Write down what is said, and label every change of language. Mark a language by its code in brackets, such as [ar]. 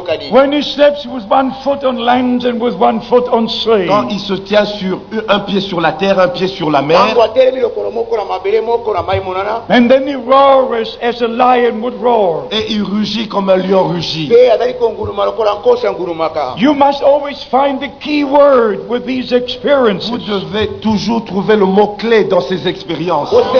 [en] When he steps with one foot on land and with one foot on sea, [fr] quand il se tient sur un pied sur la terre, un pied sur la mer. [en] And then he roars as a lion would roar. [fr] Et il rugit comme un lion rugit. [en] You must always find the key word with these experiences. [fr] Vous devez toujours trouver le mot clé dans ces expériences.